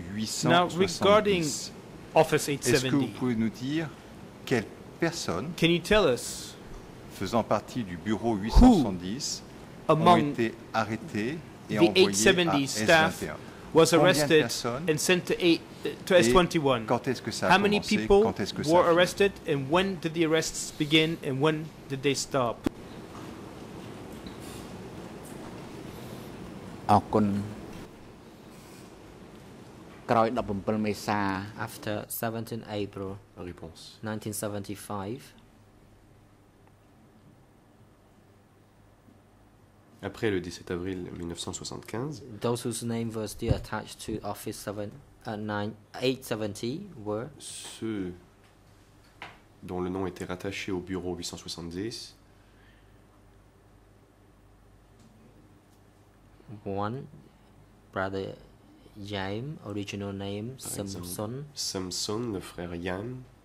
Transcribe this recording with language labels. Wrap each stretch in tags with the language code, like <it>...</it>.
<fr>870, est-ce que vous pouvez nous dire quelle personne</fr> <en>can you tell us</en> <fr>faisant partie du bureau 870 ont été arrêtés et envoyés à S21?</fr> <en>Was arrested and sent to S21.</en> <fr>Quand est-ce que ça a commencé?</fr> <en>How many people were arrested and when did the arrests begin and when did they stop? After 17 April 1975.</en> <fr>Après le 17 avril 1975,</fr> <en>those whose names were still attached to Office 870 were</en> <fr>ceux dont le nom était rattaché au bureau 870.</fr> <en>One, brother Yam, original name Samson.</en> <fr>Samson, le frère Yam.</fr>